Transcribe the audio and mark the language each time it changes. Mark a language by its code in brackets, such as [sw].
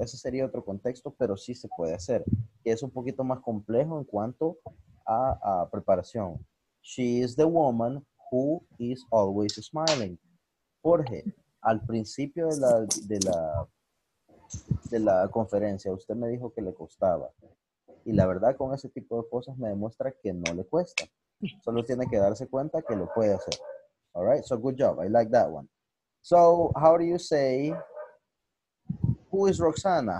[es] Ese sería otro contexto, pero sí se puede hacer. Es un poquito más complejo en cuanto a preparación. [en] She is the woman who is always smiling. [es] Jorge, al principio de la conferencia, usted me dijo que le costaba. Y la verdad, con ese tipo de cosas me demuestra que no le cuesta. Solo tiene que darse cuenta que lo puede hacer. [en] All right, so good job. I like that one. So, how do you say, who is Roxana?